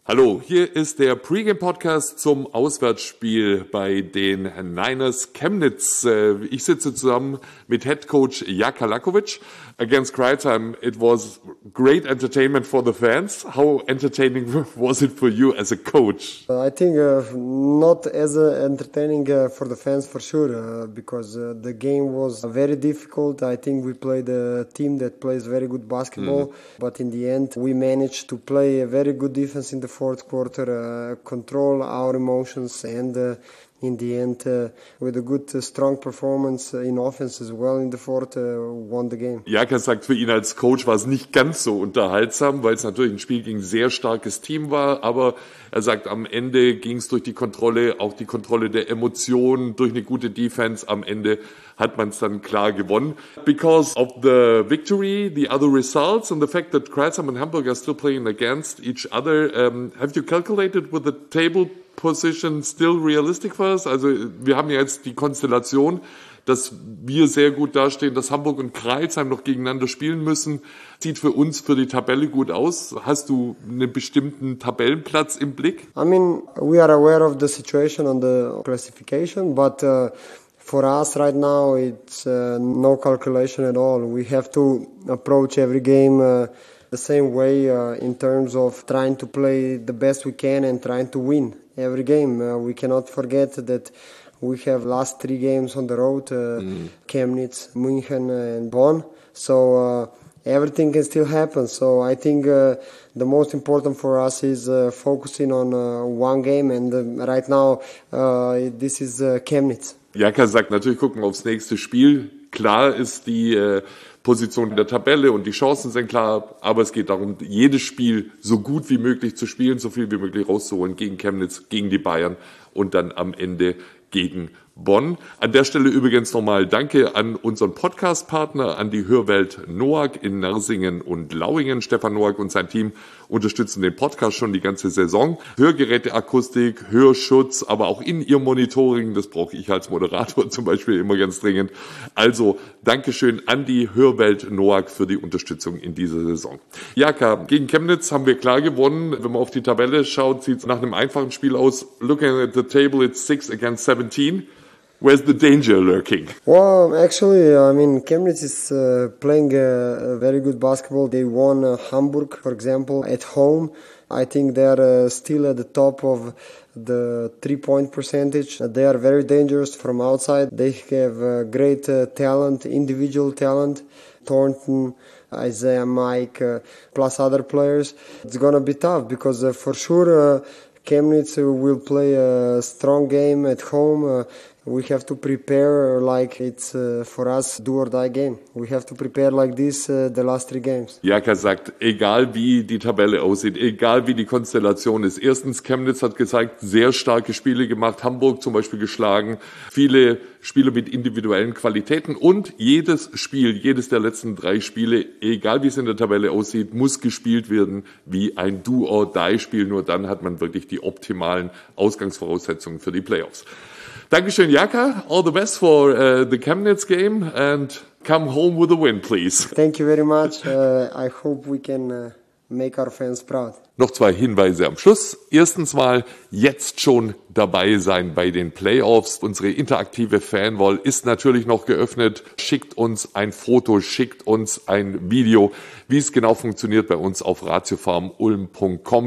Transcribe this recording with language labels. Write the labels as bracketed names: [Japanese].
[German] Hallo, hier ist der Pregame-Podcast zum Auswärtsspiel bei den Niners Chemnitz. Ich sitze zusammen mit Head Coach Jaka Lakovic. [English] Against Crytime, it was great entertainment for the fans. How entertaining was it for you as a coach? I think not as entertaining for the fans for sure, because the game was very difficult. I think we played a team that plays very good basketball, but in the end we managed to play a very good defense in the fourth quarter, control our emotions, and in the end, with a good, strong performance in offense as well in the fourth, won the game. [German] Jaka sagt, für ihn als Coach war es nicht ganz so unterhaltsam, weil es natürlich ein Spiel gegen ein sehr starkes Team war. Aber er sagt, am Ende ging es durch die Kontrolle, auch die Kontrolle der Emotionen, durch eine gute Defense. Am Ende hat man es dann klar gewonnen. [English] Because of the victory, the other results and the fact that Crystal and Hamburg are still playing against each other, have you calculated with the table position still realistic for us? [German] Also wir haben ja jetzt die Konstellation, dass wir sehr gut dastehen, dass Hamburg und Crailsheim noch gegeneinander spielen müssen. Sieht für uns, für die Tabelle gut aus. Hast du einen bestimmten Tabellenplatz im Blick? [English] I mean, we are aware of the situation and the classification, but for us right now it's no calculation at all. We have to approach every game the same way in terms of trying to play the best we can and trying to win every game. We cannot forget that we have last three games on the road, Chemnitz, München and Bonn. So everything can still happen. So I think the most important for us is focusing on one game, and right now this is Chemnitz. [German] Jaka sagt, natürlich gucken wir aufs nächste Spiel. Klar ist die Position in der Tabelle und die Chancen sind klar, aber es geht darum, jedes Spiel so gut wie möglich zu spielen, so viel wie möglich rauszuholen gegen Chemnitz, gegen die Bayern und dann am Ende gegen Bonn. An der Stelle übrigens nochmal danke an unseren Podcast-Partner, an die Hörwelt Noack in Nersingen und Lauingen. Stefan Noack und sein Team unterstützen den Podcast schon die ganze Saison. Hörgeräteakustik, Hörschutz, aber auch in ihr Monitoring, das brauche ich als Moderator zum Beispiel immer ganz dringend. Also, Dankeschön an die Hörwelt Noack für die Unterstützung in dieser Saison. Jaka, gegen Chemnitz haben wir klar gewonnen. Wenn man auf die Tabelle schaut, sieht es nach einem einfachen Spiel aus. [English] Looking at the table, it's 6 against 17. Where's the danger lurking? Well, actually, I mean, Chemnitz is playing very good basketball. They won Hamburg, for example, at home. I think they are still at the top of the three-point percentage. They are very dangerous from outside. They have great talent, individual talent. Thornton, Isaiah, Mike, plus other players. It's going to be tough because for sure Chemnitz will play a strong game at home. We have to prepare like it's for us do or die game. We have to prepare like this the last three games. [German] Jaka sagt, egal wie die Tabelle aussieht, egal wie die Konstellation ist. Erstens, Chemnitz hat gezeigt, sehr starke Spiele gemacht, Hamburg zum Beispiel geschlagen, viele Spiele mit individuellen Qualitäten und jedes Spiel, jedes der letzten drei Spiele, egal wie es in der Tabelle aussieht, muss gespielt werden wie ein do or die Spiel. Nur dann hat man wirklich die optimalen Ausgangsvoraussetzungen für die Playoffs. Dankeschön, Jaka. [English] All the best for the Chemnitz game and come home with a win, please. Thank you very much. I hope we can make our fans proud. [German] Noch zwei Hinweise am Schluss. Erstens mal, jetzt schon dabei sein bei den Playoffs. Unsere interaktive Fanwall ist natürlich noch geöffnet. Schickt uns ein Foto, schickt uns ein Video, wie es genau funktioniert bei uns auf ratiofarmulm.com.